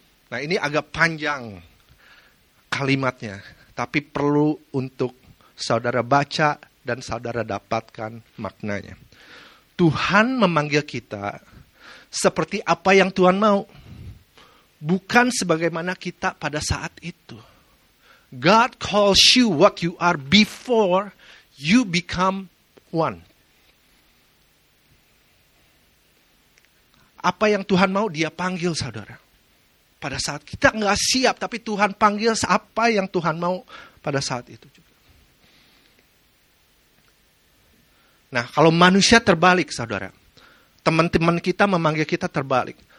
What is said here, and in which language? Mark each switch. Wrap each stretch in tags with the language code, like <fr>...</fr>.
<id>Nah, ini agak panjang kalimatnya. Tapi perlu untuk saudara baca dan saudara dapatkan maknanya. Tuhan memanggil kita seperti apa yang Tuhan mau. Bukan sebagaimana kita pada saat itu.</id> <en>God calls you what you are before you become one.</en> <id>Apa yang Tuhan mau, dia panggil saudara. Pada saat kita gak siap, tapi Tuhan panggil apa yang Tuhan mau pada saat itu juga. Nah, kalau manusia terbalik saudara, teman-teman kita memanggil kita terbalik.</id>